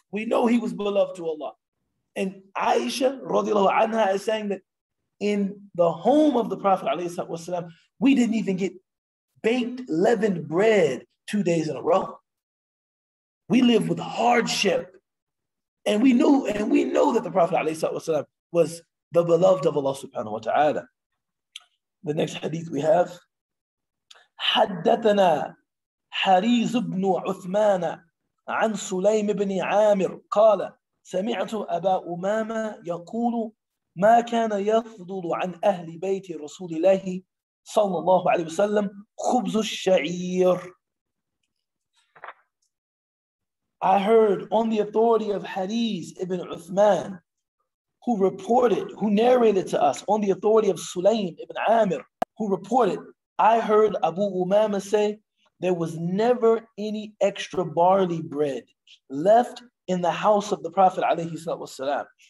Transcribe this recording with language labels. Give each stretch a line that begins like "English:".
English: We know he was beloved to Allah. And Aisha radiallahu anha is saying that in the home of the Prophet alayhi salatu wasalam, we didn't even get baked leavened bread 2 days in a row. We lived with hardship. And we know that the Prophet alayhi salatu wasalam was the beloved of Allah subhanahu wa ta'ala. The next hadith we have,
Arabic: حدثنا حريز بن عثمان عن سليم بن عامر قال سمعت أبا أمامة يقول ما كان يفضل عن أهل بيت رسول الله صلى الله عليه وسلم خبز الشعير.
English: I heard on the authority of Hariz ibn Uthman, who reported, who narrated to us, on the authority of Sulaym ibn Amir, who reported, I heard Abu Umama say, there was never any extra barley bread left in the house of the Prophet alayhi salatu wasalam.